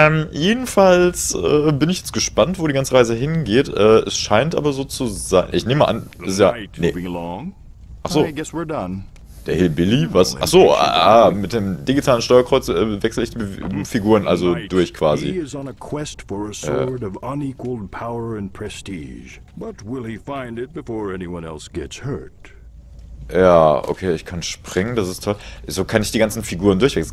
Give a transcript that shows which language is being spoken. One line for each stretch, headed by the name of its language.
German: Jedenfalls bin ich jetzt gespannt, wo die ganze Reise hingeht. Es scheint aber so zu sein. Ich nehme an, ist ja. Nee. Achso. Der Hillbilly? Was? Achso, mit dem digitalen Steuerkreuz wechsle ich die Figuren also durch quasi.
English: He is on a quest for a sword of unequaled power and prestige. But will he find it before anyone else gets hurt?
German: Ja, okay, ich kann springen, das ist toll. So kann ich die ganzen Figuren durchwechseln?